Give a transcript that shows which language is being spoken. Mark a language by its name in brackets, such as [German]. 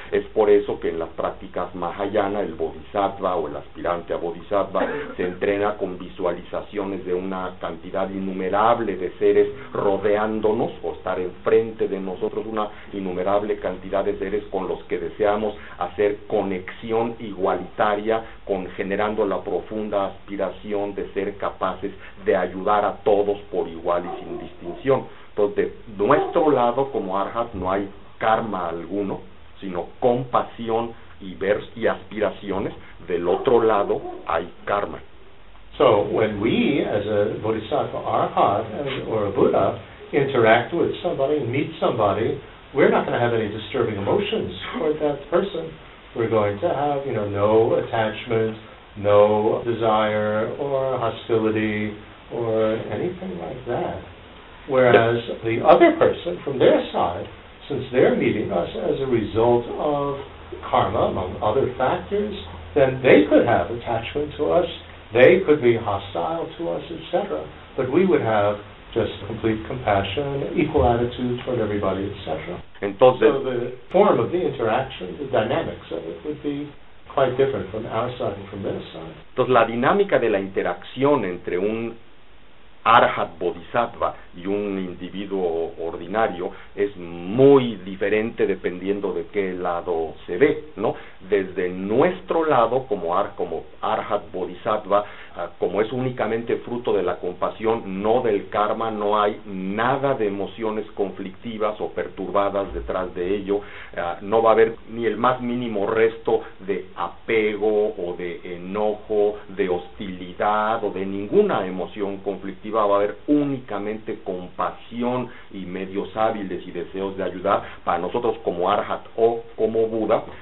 [Spanish] Es por eso que en las prácticas mahayana el bodhisattva o el aspirante a bodhisattva se entrena con visualizaciones de una cantidad innumerable de seres rodeándonos o estar enfrente de nosotros, una innumerable cantidad de seres con los que deseamos hacer conexión igualitaria, con generando la profunda aspiración de ser capaces de ayudar a todos por igual y sin distinción. Entonces, de nuestro lado como arhat no hay karma alguno, sino compasión y ver y aspiraciones. Del otro lado hay karma. [English] So when we, as a bodhisattva arhat or a Buddha, interact with somebody, meet somebody, we're not going to have any disturbing emotions toward that person. We're going to have, you know, no attachment, no desire or hostility or anything like that. Whereas the other person, from their side, since they're meeting us as a result of karma, among other factors, then they could have attachment to us. They could be hostile to us, etc. But we would have just complete compassion, equal attitude toward everybody, etc. [Spanish] Entonces, [English] so the form of the interaction, the dynamics of it would be quite different from our side and from their side. [Spanish] Entonces, la dinámica de la interacción entre un arhat bodhisattva y un individuo ordinario es muy diferente dependiendo de qué lado se ve, ¿no? Desde nuestro lado, como arhat bodhisattva, como es únicamente fruto de la compasión, no del karma, no hay nada de emociones conflictivas o perturbadas detrás de ello, no va a haber ni el más mínimo resto de apego o de enojo, de hostilidad o de ninguna emoción conflictiva, va a haber únicamente compasión y medios hábiles y deseos de ayudar para nosotros como arhat o como Buda.